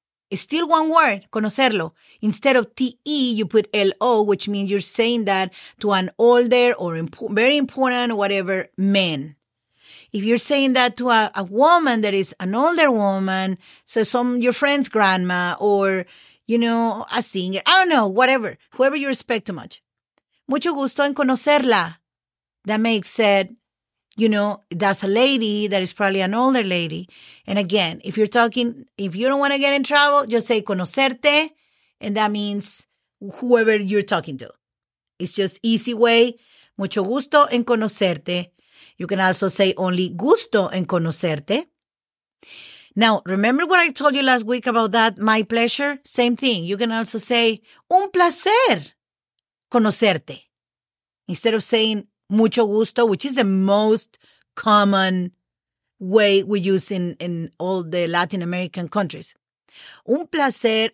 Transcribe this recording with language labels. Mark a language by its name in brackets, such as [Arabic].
[English] It's still one word, conocerlo. Instead of T-E, you put L-O, which means you're saying that to an older or very important or whatever man. If you're saying that to a woman that is an older woman, so some your friend's grandma or, you know, a singer, I don't know, whatever, whoever you respect too much. [Spanish] Mucho gusto en conocerla. [English] That makes it, you know, that's a lady that is probably an older lady. And again, if you're talking, if you don't want to get in trouble, just say conocerte. And that means whoever you're talking to. It's just easy way. [Spanish] Mucho gusto en conocerte. [English] You can also say only [Spanish] gusto en conocerte. [English] Now, remember what I told you last week about that, my pleasure? Same thing. You can also say [Spanish] un placer conocerte. [English] Instead of saying [Spanish] mucho gusto, [English] which is the most common way we use in all the Latin American countries. [Spanish] Un placer.